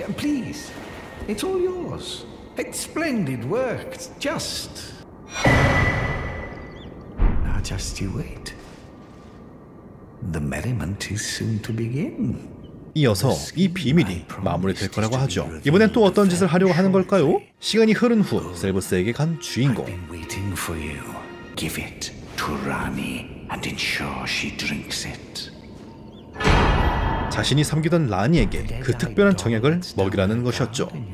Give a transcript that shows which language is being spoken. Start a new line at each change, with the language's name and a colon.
English: Yeah, please, it's all yours. It's splendid work. It's just... Now, just you wait. The merriment is soon to begin.
Korean: 이어서 이 비밀이 마무리될 거라고 하죠. 이번엔 또 어떤 짓을 하려고 하는 걸까요? 시간이 흐른 후 셀버스에게 간 주인공.
English: I've been waiting for you. Give it to Rani and ensure she drinks it.
Korean: 자신이 섬기던 라니에게 그 특별한 정액을 먹이라는 것이었죠.